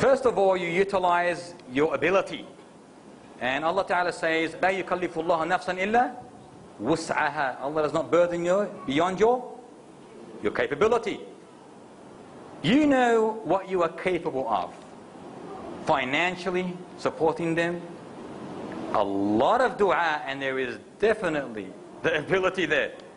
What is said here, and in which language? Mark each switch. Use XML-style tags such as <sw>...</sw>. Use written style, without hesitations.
<en>First of all, you utilize your ability. And Allah Ta'ala says,</en> <ar>لا يكلف الله نفسا إلا وسعها.</ar> <en>Allah does not burden you beyond your capability. You know what you are capable of. Financially, supporting them. A lot of dua, and there is definitely the ability there.</en>